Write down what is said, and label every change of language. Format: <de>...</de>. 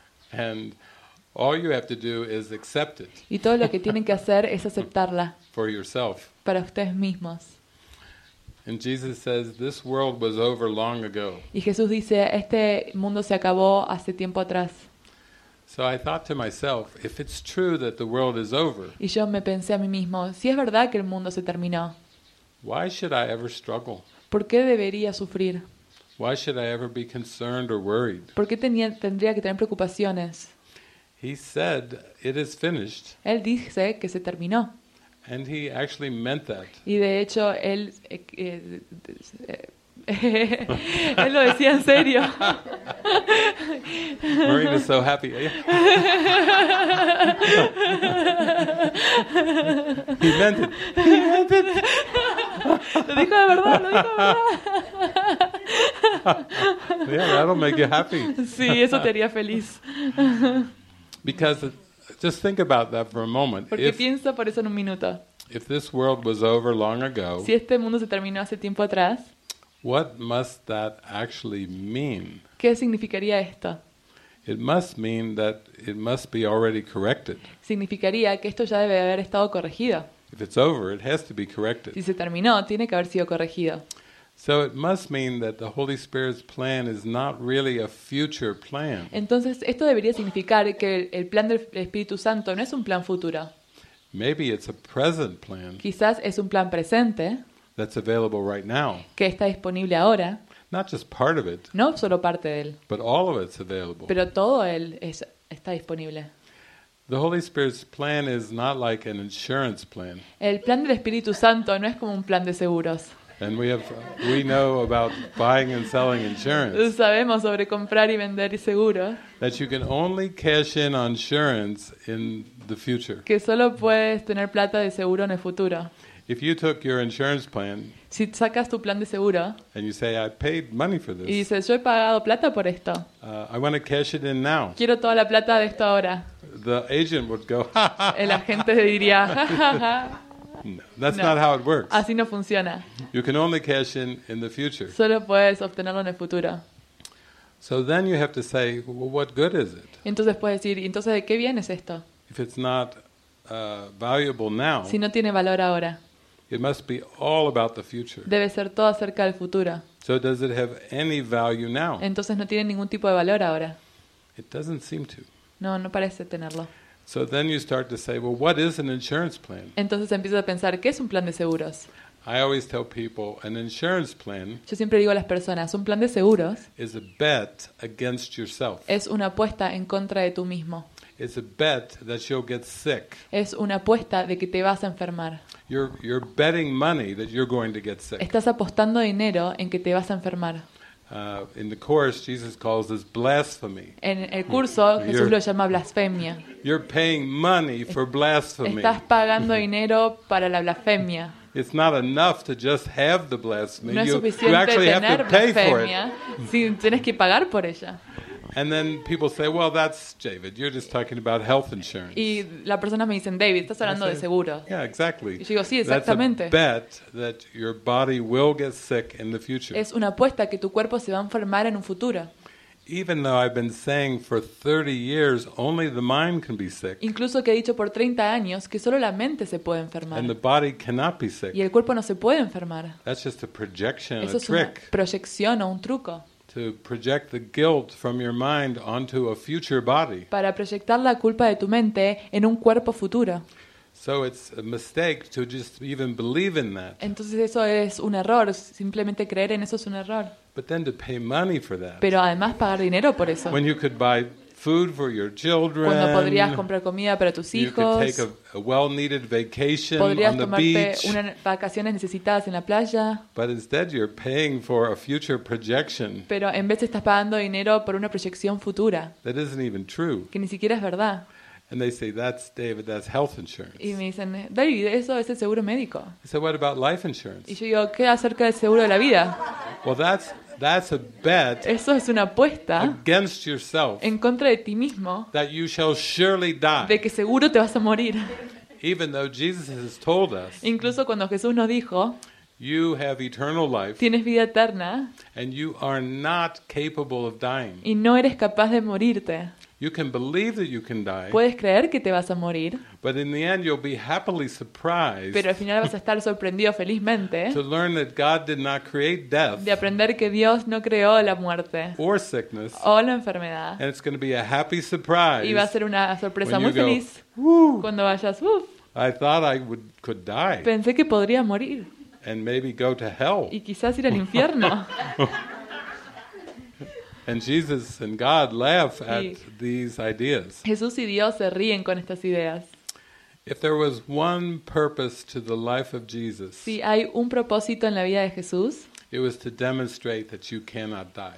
<en>And all you have to do is accept it.</en> <es>Y todo lo que tienen que hacer es aceptarla.</es> <en>For yourself.</en> <es>Para ustedes mismos.</es> <en>And Jesus says this world was over long ago.</en> <es>Y Jesús dice, este mundo se acabó hace tiempo atrás.</es> <en>So I thought to myself, if it's true that the world is over.</en> <es>Y yo me pensé a mí mismo, si es verdad que el mundo se terminó.</es> <en>Why should I ever struggle?</en> <es>¿Por qué debería sufrir?</es> <en>Why should I ever be concerned or worried?</en> <es>¿Por qué tendría que tener preocupaciones?</es> <en>He said it is finished.</en> <es>Él dice que se terminó.</es> <en>And he actually meant that.</en> <es>Y de hecho él él lo decía en serio.</es> <en>Marina's so happy. He meant it. He meant it.</en> <es>Lo dijo de verdad.</es> <en>Yeah, that'll make you happy.</en> <es>Sí, eso te haría feliz.</es> <en>Because just think about that for a moment.</en> <es>Porque piensa por eso en un minuto.</es> <en>If this world was over long ago.</en> <es>Si este mundo se terminó hace tiempo atrás.</es> <en>What must that actually mean?</en> <es>¿Qué significaría esto?</es> <en>It must mean that it must be already corrected.</en> <es>Significaría que esto ya debe haber estado corregido.</es> <en>If it's over, it has to be corrected.</en> <es>Si se terminó, tiene que haber sido corregido.</es> <en>So it must mean that the Holy Spirit's plan is not really a future plan.</en> <es>Entonces, esto debería significar que el plan del Espíritu Santo no es un plan futuro.</es> <en>Maybe it's a present plan.</en> <es>Quizás es un plan presente.</es> <en>That's available right now.</en> <es>Que está disponible ahora.</es> <en>Not just part of it.</en> <es>No solo parte de él.</es> <en>But all of it's available.</en> <es>Pero todo él está disponible.</es> <en>The Holy Spirit's plan is not like an insurance plan.</en> <es>El plan del Espíritu Santo no es como un plan de seguros.</es> <en>And we know about buying and selling insurance.</en> <es>Sabemos sobre comprar y vender seguros.</es> <en>That you can only cash in on insurance in the future.</en> <es>Que solo puedes tener plata de seguro en el futuro.</es> <en>If you took your insurance plan,</en> <es>si sacas tu plan de seguro,</es> <en>and you say I paid money for this,</en> <es>y dices yo he pagado plata por esto,</es> <en>I want to cash it in now.</en> <es>Quiero toda la plata de esto ahora.</es> <en>The agent would go.</en> <es>El agente diría.</es> <en>That's not how it works.</en> <es>Así no funciona.</es> <en>You can only cash in the future.</en> <es>Solo puedes obtenerlo en el futuro.</es> <en>So then you have to say, well, what good is it?</en> <es>Entonces puedes decir, entonces ¿de qué bien es esto?</es> <en>If it's not valuable now.</en> <es>Si no tiene valor ahora.</es> <en>It must be all about the future.</en> <es>Debe ser todo acerca del futuro.</es> <en>So does it have any value now?</en> <es>Entonces no tiene ningún tipo de valor ahora.</es> <en>It doesn't seem to.</en> <es>No, no parece tenerlo.</es> <en>So then you start to say, well, what is an insurance plan?</en> <es>Entonces empiezas a pensar, ¿qué es un plan de seguros?</es> <en>I always tell people an insurance plan.</en> <es>Yo siempre digo a las personas, un plan de seguros</es> <en>is a bet against yourself.</en> <es>Es una apuesta en contra de tú mismo.</es> <en>It's a bet that you'll get sick.</en> <es>Es una apuesta de que te vas a enfermar.</es> <en>You're betting money that you're going to get sick.</en> <es>Estás apostando dinero en que te vas a enfermar.</es> <en>In the course, Jesus calls this blasphemy.</en> <es>En el curso, Jesús lo llama blasfemia.</es> <en>You're paying money for blasphemy.</en> <es>Estás pagando dinero para la blasfemia.</es> <en>It's not enough to just have the blasphemy.</en> <es>No es suficiente</es> <en>you actually</en> <es>tener</es> <en>have to pay</en> <es>blasfemia,</es> <en>for it.</en> <es>Si tienes que pagar por ella.</es> <en>And then people say, "Well, that's David. You're just talking about health insurance."</en> <es>Y la persona me dice, "David, estás hablando de seguro."</es> <en>Yeah, exactly.</en> <es>Y yo digo, sí, exactamente.</es> <en>That's a bet that your body will get sick in the future.</en> <es>Es una apuesta que tu cuerpo se va a enfermar en un futuro.</es> <en>Even though I've been saying for 30 years only the mind can be sick.</en> <es>Incluso que he dicho por 30 años que solo la mente se puede enfermar.</es> <en>And the body cannot be sick.</en> <es>Y el cuerpo no se puede enfermar.</es> <en>That's just a projection,</en> <es>eso</es> <en>a trick.</en> <es>Es una proyección o un truco.</es> <en>To project the guilt from your mind onto a future body.</en> <es>Para proyectar la culpa de tu mente en un cuerpo futuro.</es> <en>So it's a mistake to just even believe in that.</en> <es>Entonces eso es un error. Simplemente creer en eso es un error.</es> <en>But then to pay money for that.</en> <es>Pero además pagar dinero por eso.</es> <en>When you could buy food for your children.</en> <es>Cuando podrías comprar comida para tus hijos.</es> <en>You could take a well-needed vacation</en> <es>podrías</es> <en>on the</en> <es>tomarte</es> <en>beach.</en> <es>Unas vacaciones necesitadas en la playa.</es> <en>But instead you're paying for a future projection.</en> <es>Pero en vez estás pagando dinero por una proyección futura.</es> <en>That isn't even true.</en> <es>Que ni siquiera es verdad.</es> <en>And they say, "That's David. That's health insurance."</en> <es>Y me dicen, David, eso es el seguro médico.</es> <en>I said, "What about life insurance?"</en> <es>Y yo digo, ¿qué acerca del seguro de la vida?</es> <en>Well, that's a bet.</en> <es>Eso es una apuesta.</es> <en>Against yourself.</en> <es>En contra de ti mismo.</es> <en>That you shall surely die.</en> <es>De que seguro te vas a morir.</es> <en>Even though Jesus has told us.</en> <es>Incluso cuando Jesús nos dijo.</es> <en>You have eternal life.</en> <es>Tienes vida eterna.</es> <en>And you are not capable of dying.</en> <es>Y no eres capaz de morirte.</es> <en>You can believe that you can die.</en> <es>Puedes creer que te vas a morir.</es> <en>But in the end, you'll be happily surprised.</en> <es>Pero al final vas a estar sorprendido felizmente.</es> <en>To learn that God did not create death.</en> <es>De aprender que Dios no creó la muerte.</es> <en>Or sickness.</en> <es>O la enfermedad.</es> <en>And it's going to be a happy surprise.</en> <es>Y va a ser una sorpresa muy</es> <en>go,</en> <es>feliz. Woo, cuando vayas, uff.</es> <en>I thought I would could die.</en> <es>Pensé que podría morir.</es> <en>And maybe go to hell.</en> <es>Y quizás ir al infierno.</es> <en>And Jesus and God laugh at these ideas.</en> <es>Jesús y Dios se ríen con estas ideas.</es> <en>If there was one purpose to the life of Jesus.</en> <es>Si hay un propósito en la vida de Jesús.</es> <en>It was to demonstrate that you cannot die.</en>